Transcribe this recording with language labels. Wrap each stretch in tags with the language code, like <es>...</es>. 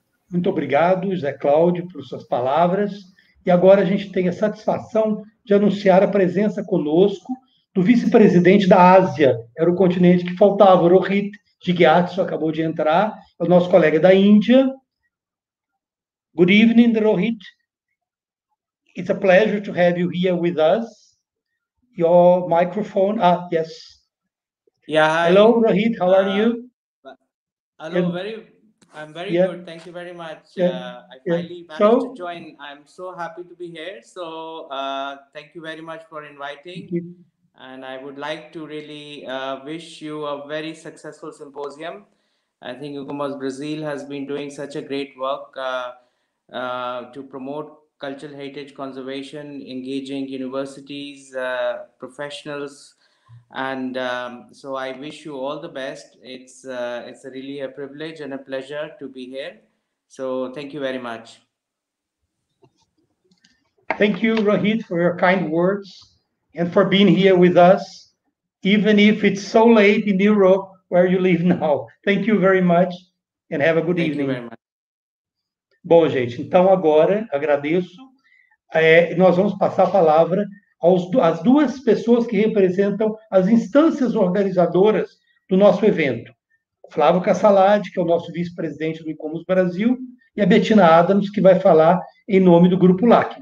<pt>Muito obrigado, José Cláudio, por suas palavras. E agora a gente tem a satisfação de anunciar a presença conosco do vice-presidente da Ásia. Era o continente que faltava, Rohit Jigyatso acabou de entrar, é o nosso colega da Índia.</pt> <en>Good evening, Rohit. It's a pleasure to have you here with us. Your microphone, yes. Yeah, hi. Hello, Rohit, how are you? Hello, I'm very good. Thank you very much. I finally managed to join. I'm so happy to be here. So thank you very much for inviting. And I would like to really wish you a very successful symposium. I think ICOMOS Brazil has been doing such a great work to promote cultural heritage conservation, engaging universities, professionals. And so I wish you all the best. It's really a privilege and a pleasure to be here. So thank you very much. Thank you, Rohit, for your kind words and for being here with us, even if it's so late in Europe where you live now. Thank you very much and have a good evening. Thank you very much.</en> <pt>Bom, gente, então agora agradeço. Nós vamos passar a palavra às duas pessoas que representam as instâncias organizadoras do nosso evento. Flávio Cassalade, que é o nosso vice-presidente do ICOMOS Brasil, e a Bettina Adams, que vai falar em nome do Grupo LAC.</pt>